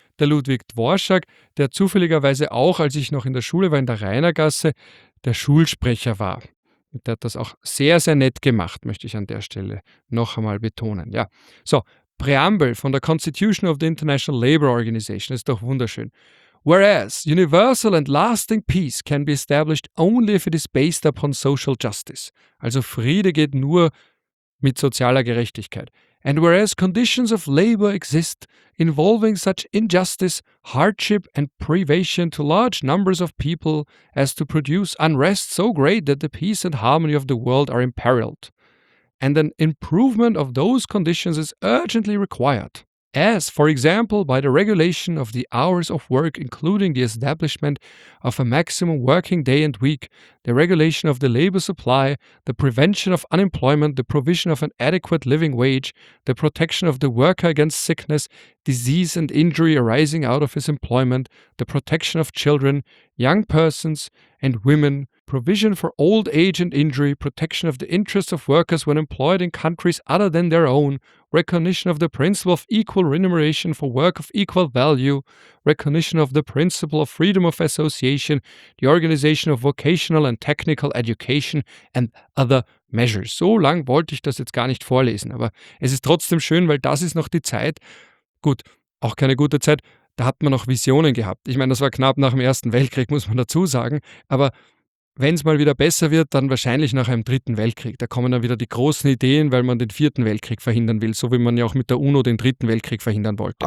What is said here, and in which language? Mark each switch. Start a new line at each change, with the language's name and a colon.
German: Der Ludwig Dworschak, der zufälligerweise auch, als ich noch in der Schule war, in der Rainergasse, der Schulsprecher war. Der hat das auch sehr, sehr nett gemacht, möchte ich an der Stelle noch einmal betonen. Ja. So, Präambel von der Constitution of the International Labour Organization ist doch wunderschön.
English: Whereas universal and lasting peace can be established only if it is based upon social justice.
German: Also Friede geht nur mit sozialer Gerechtigkeit.
English: And whereas conditions of labor exist involving such injustice, hardship and privation to large numbers of people as to produce unrest so great that the peace and harmony of the world are imperiled, and an improvement of those conditions is urgently required, as, for example, by the regulation of the hours of work, including the establishment of a maximum working day and week, the regulation of the labor supply, the prevention of unemployment, the provision of an adequate living wage, the protection of the worker against sickness, disease and injury arising out of his employment, the protection of children, young persons and women, provision for old age and injury, protection of the interests of workers when employed in countries other than their own, recognition of the principle of equal remuneration for work of equal value, recognition of the principle of freedom of association, the organization of vocational and technical education and other measures.
German: So lang wollte ich das jetzt gar nicht vorlesen, aber es ist trotzdem schön, weil das ist noch die Zeit. Gut, auch keine gute Zeit, da hat man noch Visionen gehabt. Ich meine, das war knapp nach dem Ersten Weltkrieg, muss man dazu sagen, aber wenn es mal wieder besser wird, dann wahrscheinlich nach einem Dritten Weltkrieg. Da kommen dann wieder die großen Ideen, weil man den Vierten Weltkrieg verhindern will, so wie man ja auch mit der UNO den Dritten Weltkrieg verhindern wollte.